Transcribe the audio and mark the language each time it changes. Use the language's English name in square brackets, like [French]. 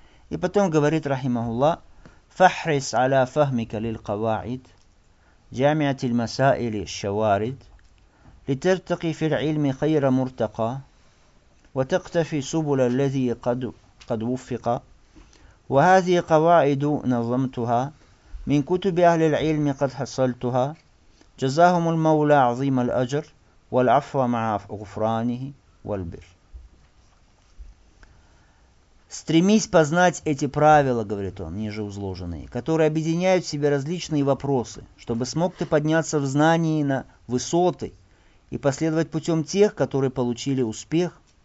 [Russian] И потом говорит, [Arabic] рахимахулла, «Фахрис аля фахмика лил каваид, джамиати лмасаили шаварид, литертаки фил ильми хайра муртака, ватактафи субуля лази кад вуффика». وهذه قواعد نظمتها من كتب أهل العلم قد حصلتها جزاهم المولى عظيم الأجر والعفو مع غفرانه والبر. [Russian] Стремись познать эти правила, говорит он, ниже изложенные, которые объединяют в себе различные вопросы, чтобы смог ты подняться в знании на высоты и последовать путем тех, которые получили успех.